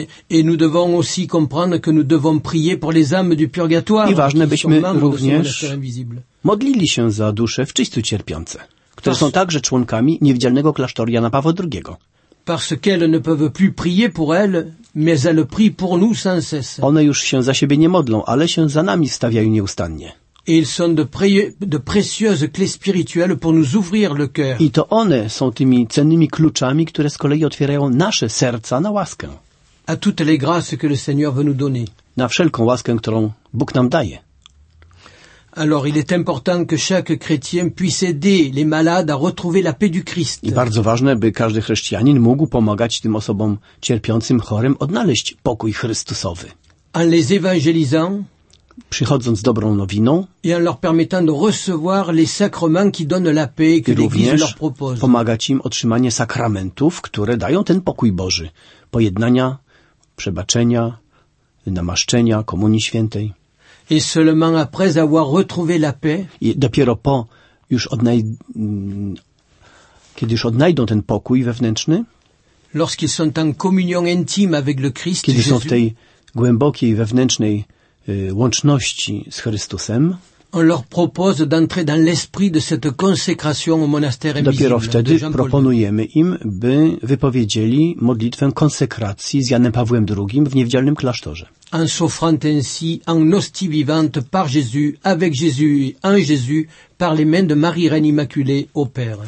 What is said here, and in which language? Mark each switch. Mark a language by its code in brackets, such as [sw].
[fr] Et nous devons aussi comprendre que nous devons prier pour les âmes du purgatoire. [pl] I ważne, byśmy również modlili się za dusze w czyściu cierpiące, które są także członkami niewidzialnego klasztoru Jana Pawła II. [fr] Parce qu'elles ne peuvent plus prier pour elles, mais elles prient pour nous sans cesse. [pl] One już się za siebie nie modlą, ale się za nami stawiają nieustannie. [fr] Et ils sont de précieuses clés spirituelles pour nous ouvrir le cœur. [pl] I to one są tymi cennymi kluczami, które z kolei otwierają nasze serca na łaskę. [fr] À toutes les grâces que le Seigneur veut nous donner. [pl] Na wszelką łaskę, którą Bóg nam daje. [fr] Alors, il est important que chaque chrétien puisse aider les malades à retrouver la paix du Christ. [pl] I bardzo ważne, by każdy chrześcijanin mógł pomagać tym osobom cierpiącym, chorym odnaleźć pokój Chrystusowy. [fr] En les évangélisant, [pl] przychodząc z dobrą nowiną, [fr] et en leur permettant de recevoir les sacrements qui donnent la paix que l'Église leur propose. [pl] Pomagać im otrzymanie sakramentów, które dają ten pokój Boży, pojednania, przebaczenia, namaszczenia, komunii świętej. [fr] Et seulement après avoir retrouvé la paix, [pl] i dopiero po już kiedy już odnajdą ten pokój wewnętrzny, [fr] lorsqu'ils sont en communion intime avec le Christ, [pl] kiedy [fr] Jésus, [pl] są w tej głębokiej wewnętrznej łączności z Chrystusem, [fr] on leur propose d'entrer dans l'esprit de cette consécration au monastère invisible. [pl] Dopiero wtedy proponujemy im, by wypowiedzieli modlitwę konsekracji z Janem Pawłem II w niewidzialnym klasztorze. [fr] En s'offrant ainsi en hostie vivante par Jésus, avec Jésus, en Jésus, par les mains de Marie Reine Immaculée au Père.